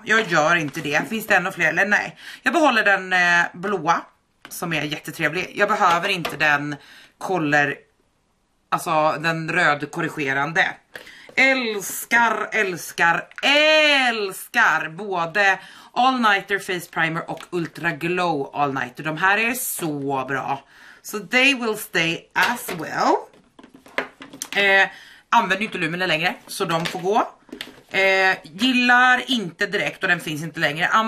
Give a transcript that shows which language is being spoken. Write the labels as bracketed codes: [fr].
[sv] Jag gör inte det. Finns det ännu fler eller nej? Jag behåller den blåa, som är jättetrevlig. Jag behöver inte den color, alltså den röd korrigerande. Älskar både All Nighter Face Primer och Ultra Glow All Nighter. De här är så bra. [en] So they will stay as well. [sv] Använder inte Lumine längre, så de får gå. Gillar inte direkt och den finns inte längre.